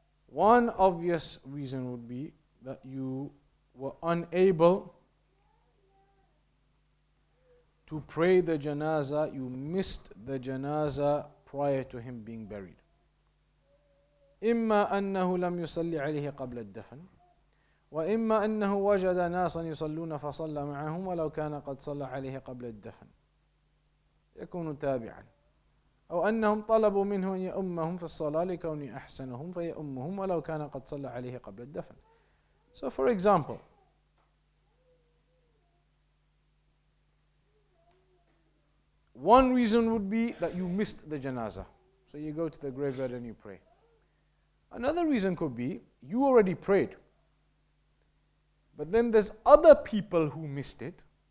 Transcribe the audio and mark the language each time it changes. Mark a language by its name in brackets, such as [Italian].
[English] One obvious reason would be that you were unable to pray the janazah, you missed the janazah prior to him being buried. [Arabic] إِمَّا أَنَّهُ لَمْ يُصَلِّ عَلِهِ قَبْلَ الدَّفْنِ وَإِمَّا أَنَّهُ وَجَدَ نَاسًا يُصَلُّونَ فَصَلَّ مَعَهُمْ وَلَوْ كَانَ قَدْ صَلَّ عَلِهِ قَبْلَ الدَّفْنِ يَكُونُ تَابِعًا أو أنهم طلبوا منه أن يأمهم في الصلاة لكون أحسنهم فيأمهم ولو كان قد صلى عليه قبل الدفن. [English] So for example, one reason would be that you missed the janazah. So you go to the graveyard and you pray. Another reason could be you already prayed, but then there's other people who missed it.